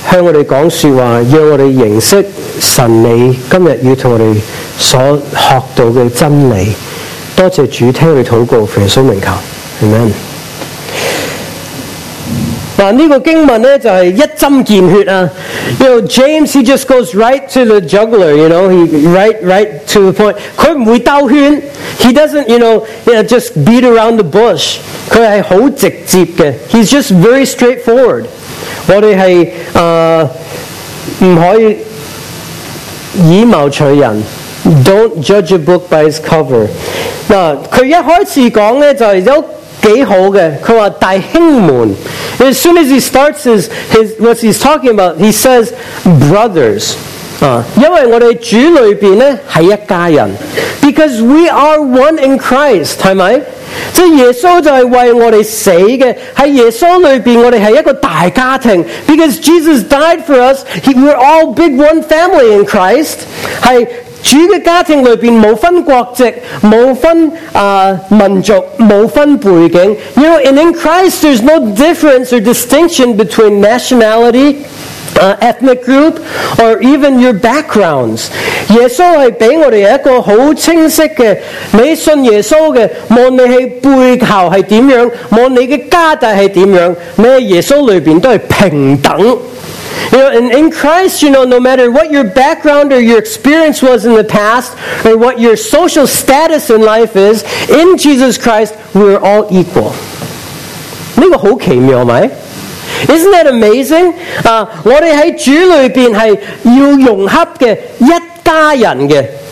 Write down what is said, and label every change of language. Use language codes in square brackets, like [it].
[zh] 向我们讲说话，让我们认识神你今天要跟我们所学到的真理。多谢主，听我们祷告，奉耶稣名求， Amen。这个经文呢，就是一针见血啊。 [en] You know, James, he just goes right to the juggler, you know, right to the point. [zh] 他不会兜圈， [en] he doesn't, you know, just beat around the bush. [zh] 他是很直接的， [en] he's just very straightforward. [zh] 我们是不可以以貌取人， [en] Don't judge a book by its cover。 [zh] 他一开始讲的就是有几好的，他说弟兄们， [en] As soon as he starts what he's talking about, he says brothers。 [zh] 因为我们主里面呢是一家人， [en] Because we are one in Christ， [zh] 是吗？即耶稣就是为我们死的，在耶稣里面我们是一个大家庭。 [en] Because Jesus died for us, we're all big one family in Christ。 [zh] 在主的家庭里面没有分国籍，没有分民族，没有分背景。 [en] You know, and in Christ there's no difference or distinction between nationality, ethnic group, or even your backgrounds。 [zh] 耶稣是给我们一个很清晰的，你信耶稣的，无论你是背后是怎样，无论你的家底是怎样，你在耶稣里面都是平等。 [en] You know, and in Christ, you know, no matter what your background or your experience was in the past, or what your social status in life is, in Jesus Christ, we're all equal. [zh] 这个很奇妙吗？ [en] Isn't that amazing? [zh] 我们在主里面是要融合的一家人的。